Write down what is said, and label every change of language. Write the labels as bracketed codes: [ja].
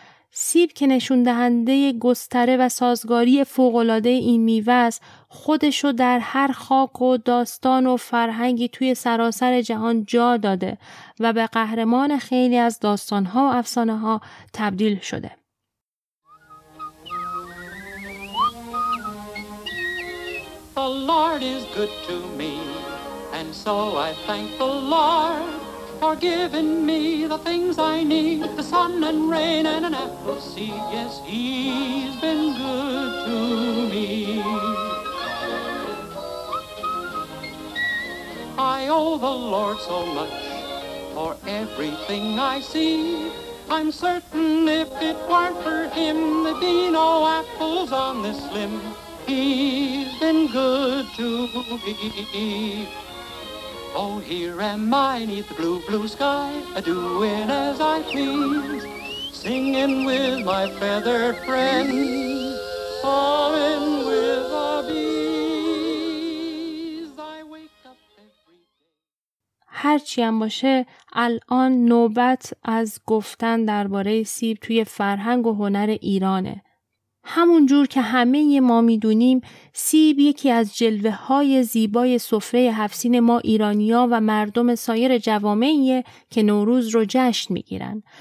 [fa] سیب که نشون دهنده گستره و سازگاری فوق‌العاده این میوه است، خودشو در هر خاک و داستان و فرهنگی توی سراسر جهان جا داده و به قهرمان خیلی از داستان‌ها و افسانه‌ها تبدیل شده. [en] The Lord is good to me and so I thank the Lord. For giving me the things I need, the sun and rain and an apple seed. Yes, he's been good to me. I owe the Lord so much for everything I see. I'm certain if it weren't for him, there'd be no apples on this limb. He's been good to me. Oh, here am I, 'neath the blue, blue sky, a-doin' as I please. singing with my feathered friend, falling with the bees. I wake up every day. [fa] هرچی هم باشه الان نوبت از گفتن درباره سیب توی فرهنگ و هنر ایرانه. همون جور که همه ما میدونیم سیب یکی از جلوه های زیبای سفره هفت‌سین ما ایرانی ها و مردم سایر جوامعیه که نوروز رو جشن میگیرن.